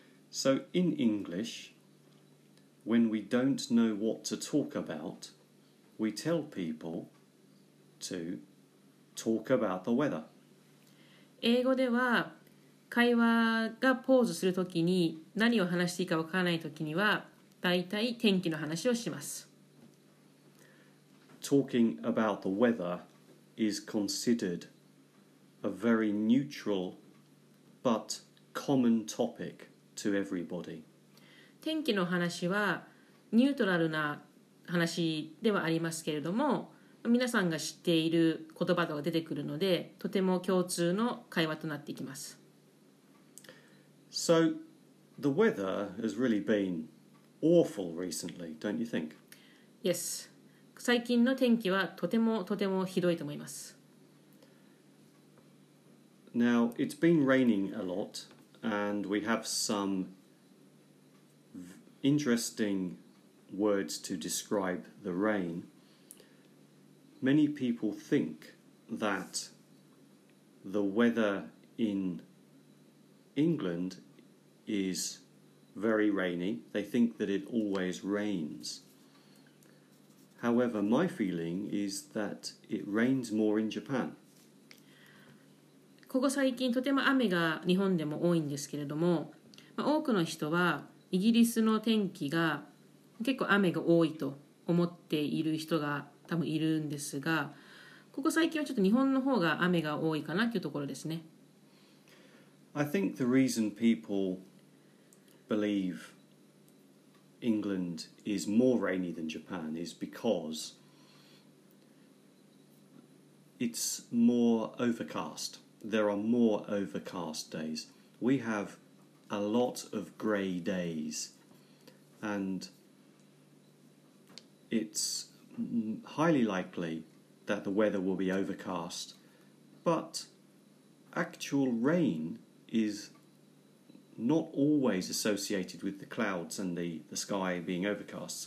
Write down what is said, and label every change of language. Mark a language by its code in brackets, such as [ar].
[en] So, in English, when we don't know what to talk about, we tell people to talk about the weather. [ja] 英語では、会話がポーズするときに何を話していいかわからないときには、大体天気の話をします。 [en] Talking about the weather is considered a very neutral but common topic to everybody. [ja] 天気の話はニュートラルな話ではありますけれども、皆さんが知っている言葉が出てくるので、とても共通の会話となっていきます。 [en] So, the weather has really been awful recently, don't you think? Yes. [ja] 最近の天気はとてもとてもひどいと思います。 [en] Now, it's been raining a lot, and we have some interesting words to describe the rain. Many people think that the weather in England is very rainy. They think that it always rains. However, my feeling is that it rains more in Japan. [ja] ここ最近とても雨が日本でも多いんですけれども、多くの人はイギリスの天気が結構雨が多いと思っている人が多分いるんですが、ここ最近はちょっと日本の方が雨が多いかなというところですね。 [en] I think the reason people believeEngland is more rainy than Japan is because it's more overcast. There are more overcast days. We have a lot of grey days, and it's highly likely that the weather will be overcast, but actual rain isNot always associated with the clouds and the sky being overcast.